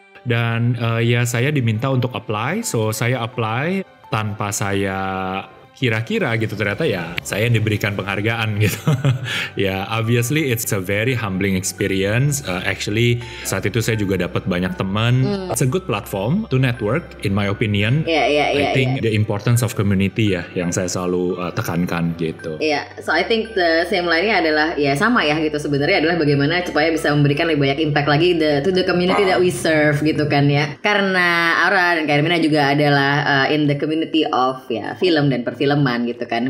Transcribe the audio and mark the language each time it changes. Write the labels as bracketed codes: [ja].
[id] Dan ya saya diminta untuk apply, so saya apply tanpa saya kira-kira gitu, ternyata ya saya diberikan penghargaan gitu. [en] Ya, obviously it's a very humbling experience. [id] Actually saat itu saya juga dapat banyak teman. [en] It's a good platform to network in my opinion. The importance of community [id] ya yang saya selalu tekankan gitu. [en] Yeah, so I think the same line-nya [id] adalah ya sama ya gitu, sebenarnya adalah bagaimana supaya bisa memberikan lebih banyak impact lagi [en] to the community that we serve [id] gitu kan ya. Karena Aoura dan Hermina juga adalah [en] in the community of [id] ya film dan filman gitu kan.